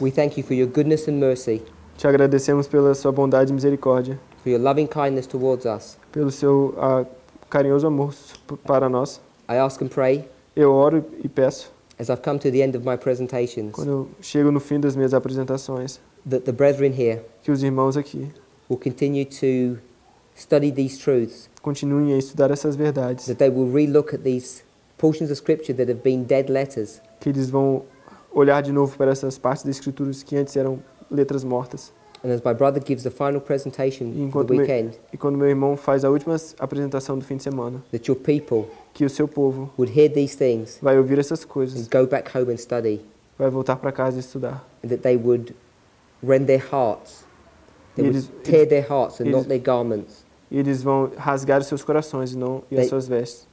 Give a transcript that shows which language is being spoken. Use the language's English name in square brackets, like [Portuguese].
[English] we thank you for your goodness and mercy. [Portuguese] Te agradecemos pela sua bondade e misericórdia. [English] For your loving kindness towards us. [Portuguese] Pelo seu carinhoso amor para nós. [English] I ask and pray. [Portuguese] Eu oro e peço. [English] As I've come to the end of my presentations. [Portuguese] Quando eu chego no fim das minhas apresentações. [English] That the brethren here. [Portuguese] Que os irmãos aqui. [English] Will continue to study these truths. [Portuguese] Continuem a estudar essas verdades. [English] That they will re-look at these portions of scripture that have been dead letters. [Portuguese] Que eles vão olhar de novo para essas partes das escrituras que antes eram letras mortas. [English] And as my brother gives the final presentation for the weekend, [Portuguese] e quando meu irmão faz a última apresentação do fim de semana, [English] that your people, [Portuguese] que o seu povo, [English] would hear these things, [Portuguese] vai ouvir essas coisas, [English] and go back home and study, [Portuguese] vai voltar para casa e estudar, [English] and that they would rend their hearts, they [Portuguese] eles, [English] would tear their hearts and [Portuguese] eles, [English] not their garments, [Portuguese] eles vão rasgar os seus corações e não e as suas vestes,